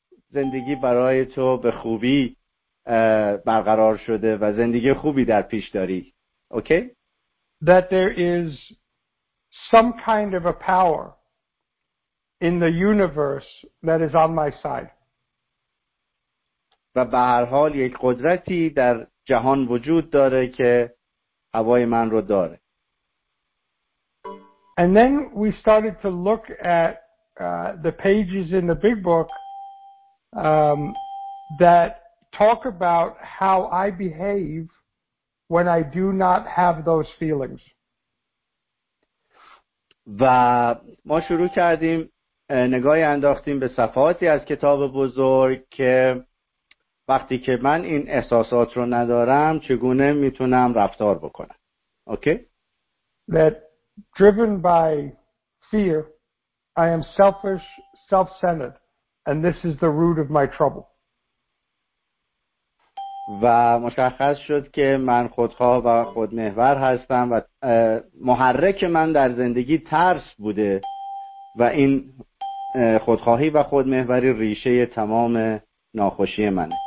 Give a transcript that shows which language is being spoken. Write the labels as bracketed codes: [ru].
[fa] زندگی برای تو به خوبی برقرار شده و زندگی خوبی در پیش داری. Okay? [en] That there is some kind of a power in the universe that is on my side. [fa] و به هر حال یک قدرتی در جهان وجود داره که هوای من رو داره. [en] And then we started to look at the pages in the big book that talk about how I behave when I do not have those feelings. [fa] و ما شروع کردیم نگاهی انداختیم به صفحاتی از کتاب بزرگ که وقتی که من این احساسات رو ندارم چگونه میتونم رفتار بکنم. Okay? [en] That driven by fear I am selfish, self-centered, and this is the root of my trouble. [fa] و مشخص شد که من خودخواه و خودمحور هستم و محرک من در زندگی ترس بوده و این خودخواهی و خودمحوری ریشه تمام ناخوشی من.